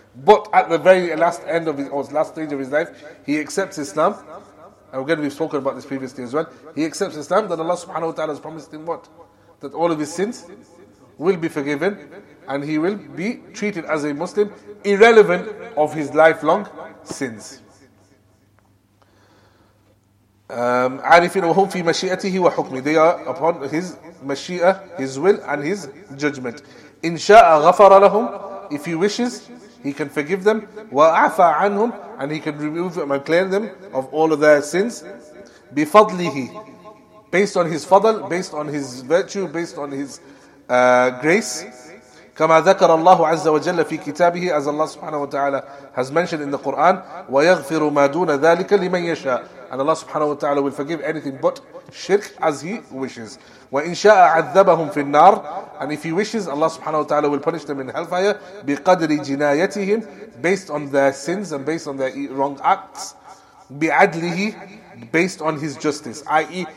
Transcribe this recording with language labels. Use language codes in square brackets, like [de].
[en] But at the very last end of his, or last stage of his life, he accepts Islam. And again, we've spoken about this previously as well. He accepts Islam, then Allah subhanahu wa ta'ala has promised him what? That all of his sins will be forgiven, and he will be treated as a Muslim, irrelevant of his lifelong sins. [ar] عارفين وهم في مشيئته وحكمه. [en] They are upon his mashia, his will, and his judgment. [ar] إن شاء غفر لهم. [en] If he wishes, he can forgive them. [ar] وعفى عنهم, [en] and he can remove them and clear them of all of their sins. بفضله, based on his fadl, based on his virtue, based on his grace. [ar] كما ذكر الله عز وجل في كتابه, [en] as Allah subhanahu wa ta'ala has mentioned in the Quran. [ar] ويغفر ما دون ذلك لمن يشاء. [en] And Allah subhanahu wa ta'ala will forgive anything but shirk as he wishes. [ar] وَإِنْ شَاءَ عَذَّبَهُمْ فِي النَّارِ. [en] And if he wishes, Allah subhanahu wa ta'ala will punish them in hellfire. [ar] بِقَدْرِ جِنَايَتِهِمْ. [en] Based on their sins and based on their wrong acts. بِعَدْلِهِ. Based on his justice. I.e.